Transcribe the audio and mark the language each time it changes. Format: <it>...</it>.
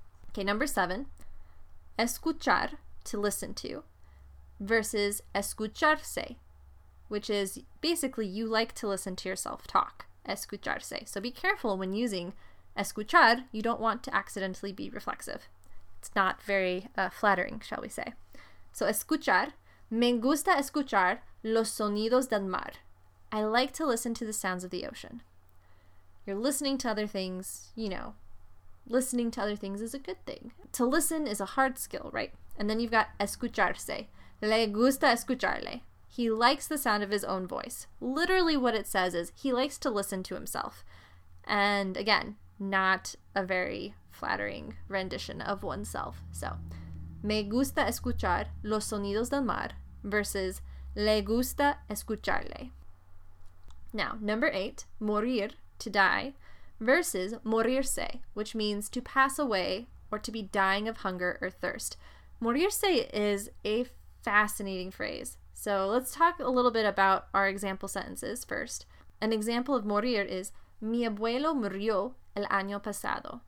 <en>Okay, number seven, escuchar, to listen to, versus escucharse, which is basically you like to listen to yourself talk, escucharse. So be careful when using escuchar, you don't want to accidentally be reflexive. It's not very flattering, shall we say.</en> <es>So escuchar, me gusta escuchar los sonidos del mar.</es> <en>I like to listen to the sounds of the ocean. You're listening to other things, you know. Listening to other things is a good thing. To listen is a hard skill, right? And then you've got escucharse.</en> <es>Le gusta escucharle.</es> <en>He likes the sound of his own voice. Literally what it says is he likes to listen to himself. And again, not a very flattering rendition of oneself.</en> <es>So, me gusta escuchar los sonidos del mar versus le gusta escucharle.</es> <en>Now, number 8, morir, to die, versus morirse, which means to pass away or to be dying of hunger or thirst. Morirse is a fascinating phrase. So let's talk a little bit about our example sentences first. An example of morir is</en> <es>mi abuelo murió el año pasado.</es>